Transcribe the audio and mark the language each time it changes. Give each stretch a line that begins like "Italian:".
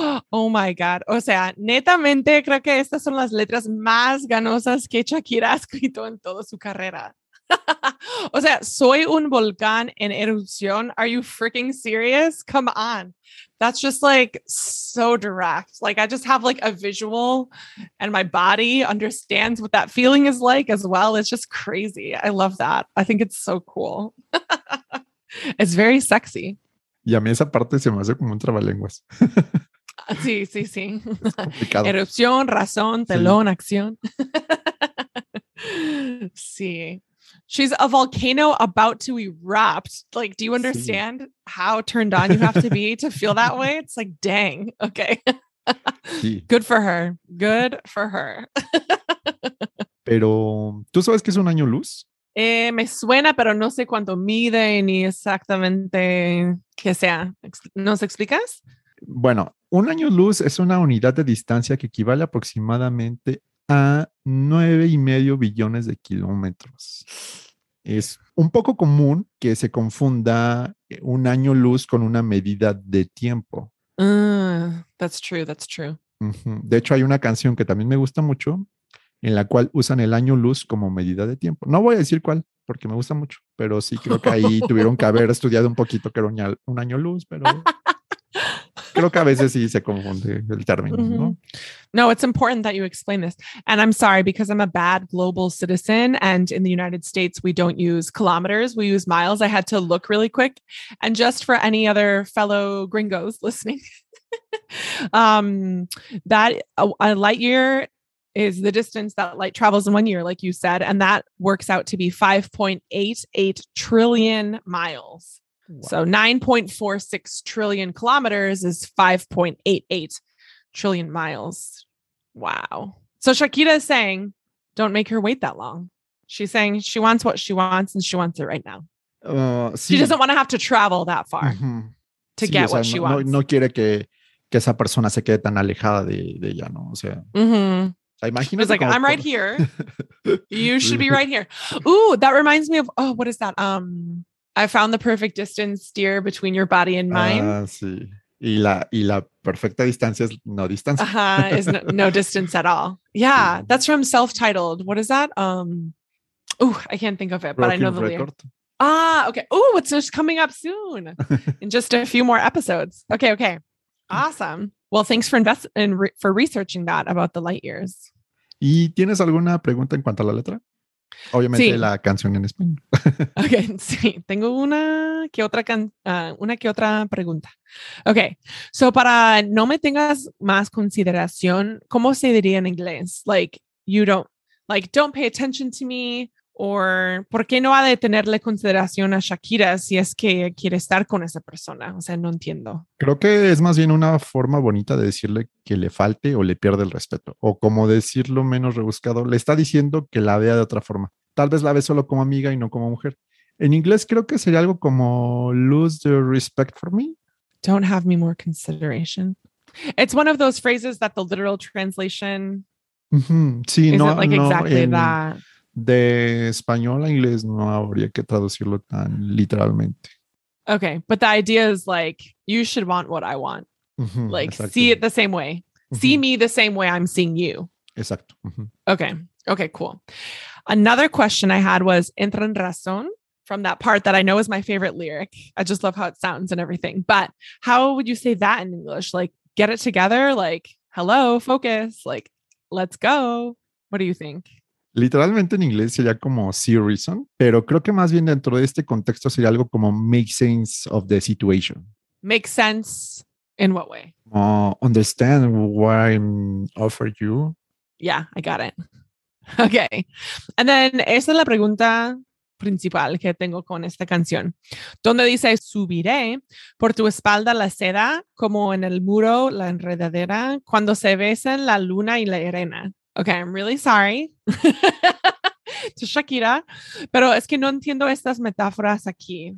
Spanish: Oh my God. O sea, netamente creo que estas son las letras más ganosas que Shakira ha escrito en toda su carrera. O sea, soy un volcán en erupción.
English: Are you freaking serious? Come on. That's just like so direct. Like I just have like a visual and my body understands what that feeling is like as well. It's just crazy. I love that. I think it's so cool. It's very sexy.
Spanish: Y a mí esa parte se me hace como un trabalenguas. Sí, sí, sí. Erupción, razón, telón, sí. Acción. Sí.
English: She's a volcano about to erupt. Like, do you understand sí. how turned on you have to be to feel that way? It's like, dang. Okay. Sí. Good for her. Good for her.
Spanish: Pero, ¿tú sabes qué es un año luz? Me suena, pero no sé cuánto mide ni exactamente qué sea. ¿Nos explicas? Bueno, un año luz es una unidad de distancia que equivale aproximadamente a 9.5 billones de kilómetros. Es un poco común que se confunda un año luz con una medida de tiempo.
English: That's true. Uh-huh.
Spanish: De hecho, hay una canción que también me gusta mucho en la cual usan el año luz como medida de tiempo. No voy a decir cuál, porque me gusta mucho, pero sí creo que ahí tuvieron que haber estudiado un poquito que era un año luz, pero creo que a veces sí se confunde el término, ¿no?
English: No, it's important that you explain this. And I'm sorry, because I'm a bad global citizen and in the United States, we don't use kilometers, we use miles. I had to look really quick. And just for any other fellow gringos listening, that a light year is the distance that light travels in 1 year, like you said, and that works out to be 5.88 trillion miles. Wow. So 9.46 trillion kilometers is 5.88 trillion miles. Wow. So Shakira is saying, don't make her wait that long. She's saying she wants what she wants and she wants it right now.
Spanish: Sí.
English: She doesn't want to have to travel that far to
Spanish: sí,
English: get what
Spanish: sea,
English: she wants.
Spanish: No quiere que esa persona se quede tan alejada de ella, ¿no? O sea, imagínate.
English: It's like, I'm right here. You should be right here. Ooh, that reminds me of, oh, what is that? I found the perfect distance, dear, between your body and mine.
Spanish: Ah, sí. Y la perfecta distancia es no distancia.
English: Ajá, es no distance at all. Yeah, sí. That's from self-titled. What is that? I can't think of it, Broken but I know the record. Lyric. Ah, okay. Ooh, it's just coming up soon in just a few more episodes. Okay. Awesome. Well, thanks for researching that about the light years.
Spanish: ¿Y tienes alguna pregunta en cuanto a la letra? Obviamente sí. La canción en español. Ok, sí, tengo una que otra pregunta.
English: Ok, so
Spanish: para no me tengas más consideración, ¿cómo se diría en inglés?
English: Like, you don't pay attention to me, or
Spanish: ¿por qué no ha de tenerle consideración a Shakira si es que quiere estar con esa persona? O sea, no entiendo. Creo que es más bien una forma bonita de decirle que le falte o le pierde el respeto. O como decirlo menos rebuscado, le está diciendo que la vea de otra forma. Tal vez la ve solo como amiga y no como mujer. En inglés creo que sería algo como
English: lose your respect for me. Don't have me more consideration. It's one of those phrases that the literal translation
Spanish: sí,
English: isn't
Spanish: no,
English: like
Spanish: no,
English: exactly
Spanish: en,
English: that.
Spanish: De español a inglés no habría que traducirlo tan literalmente.
English: Okay, but the idea is like, you should want what I want. Uh-huh, like,
Spanish: exacto.
English: See it the same way. Uh-huh. See me the same way I'm seeing you.
Spanish: Exacto.
English: Uh-huh. Okay, cool. Another question I had was,
Spanish: entra en razón,
English: from that part that I know is my favorite lyric. I just love how it sounds and everything. But how would you say that in English? Like, get it together? Like, hello, focus, like, let's go. What do you think?
Spanish: Literalmente en inglés sería como
English: see reason,
Spanish: pero creo que más bien dentro de este contexto sería algo como
English: make sense of the situation. Make sense in what way? Understand why I'm offered you. Yeah, I got it. Okay. And then,
Spanish: esa es la pregunta principal que tengo con esta canción. Donde dice, subiré por tu espalda la seda, como en el muro la enredadera, cuando se besan la luna y la arena.
English: Okay, I'm really sorry to Shakira,
Spanish: pero es que no entiendo estas metáforas aquí.